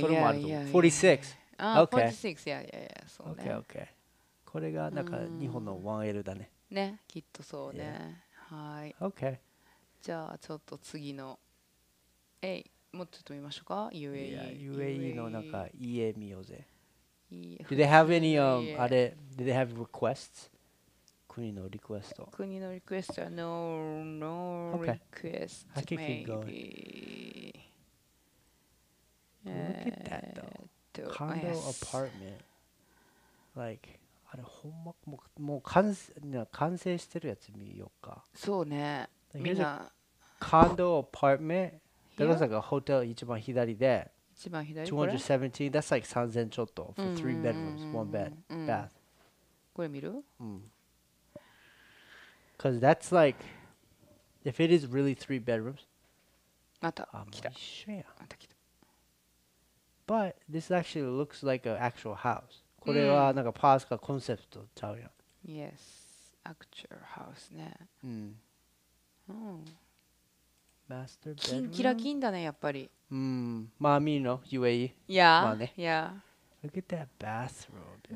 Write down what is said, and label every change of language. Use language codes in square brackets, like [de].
[ja] それもあると思う。 [en] Yeah, 46. Yeah. Okay. 46. Yeah, yeah, yeah. [ja] そうね。 [en] Okay, okay. [ja] これがなんか日本の 1L だね。ね、きっとそうね。 [en] Yeah. [ja] はい。 [en] Okay. [ja] じゃあちょっと次の、え、もうちょっと見ましょうか。 UAE。 [en] Yeah, [ja] UAE のなんか家見ようぜ。 [en] Do they have any, [ja] あれ、 [en] do they have requests? [ja] 国のリクエスト。国のリクエストは [en] no, no request. Okay. I can keep going. Look at that though. Condo apartment. Like, [ja] あれほんまもう完成してるやつ見ようか。そうね。みんな。 [en] Condo apartment. [ja] だからさっきホテル一番左で。一番左。 217. [en] That's like 3000 [ja] ちょっと [en] for three bedrooms, one bed, bath. [ja] これ見る？うん。 [en] Because that's like, if it is really three bedrooms. [ja] また来た。また来た。 [en] But this actually looks like an actual house. [ja] これはなんかパースかコンセプトちゃうやん。 [en] Yes, actual house ね。 [ja] うん。うん。 [en] Master bedroom? [ja] キラキンだね、やっぱり。うん。マーミーの UAE。 [en] Yeah. [ja] まあね。 [en] Yeah. Look at that bathroom, dude.